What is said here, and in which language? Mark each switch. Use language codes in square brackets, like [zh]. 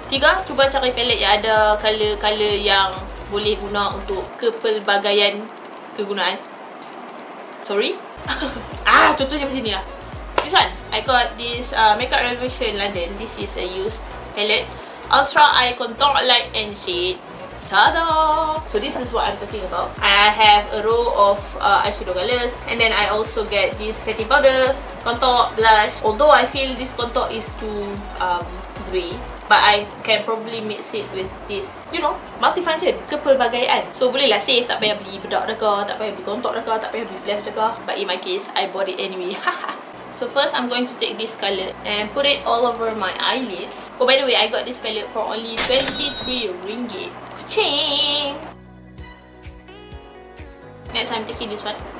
[ms] Tiga, cuba cara palette yang ada color-color yang boleh guna untuk kepelbagaian kegunaan. Sorry. Ah, contohnya macam ni lah. [en] This one, I got this Makeup Revolution London. This is a used palette, Ultra Eye Contour Light and Shade. Ta-da! So this is what I'm talking about. I have a row of eyeshadow colors, and then I also get this setting powder, contour, blush. Although I feel this contour is too grey, but I can probably mix it with this, you know, multifunction, kepelbagaian. [ms] So boleh lah save, tak payah beli bedak reka, tak payah beli contour reka, tak payah beli blush reka. [en] But in my case, I bought it anyway. So first, I'm going to take this colour and put it all over my eyelids. Oh, by the way, I got this palette for only 23 ringgit. Ka-ching! Next, I'm taking this one.